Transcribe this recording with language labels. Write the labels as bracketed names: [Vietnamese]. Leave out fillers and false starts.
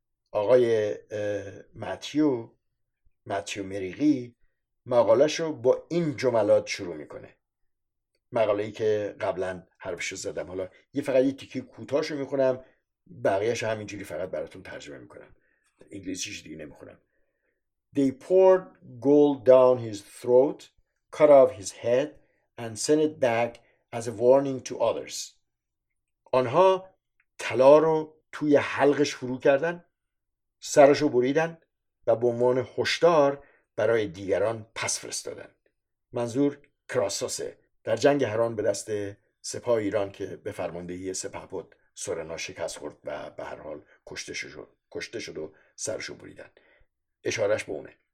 [Persian] آقای ماتیو مریغی مقالهشو با این جملات شروع میکنه. مقاله‌ای که قبلا حرفش رو زدم، حالا یه فقط یه تیکی کوتاهشو میخونم، بقیهشو همینجوری فقط براتون ترجمه میکنم، انگلیسیش دیگه نمیخونم. [English] They poured gold down his throat, cut off his head and sent it back as a warning to others. [Persian] آنها طلا رو توی حلقش فرو کردن، سرشو بریدن و به عنوان هشدار برای دیگران پس فرستادن. منظور کراساسه در جنگ هران به دست سپاه ایران که به فرماندهی سپهبد سورنا شکست خورد و به هر حال کشته شد و سرشو بریدن. اشارش به اونه.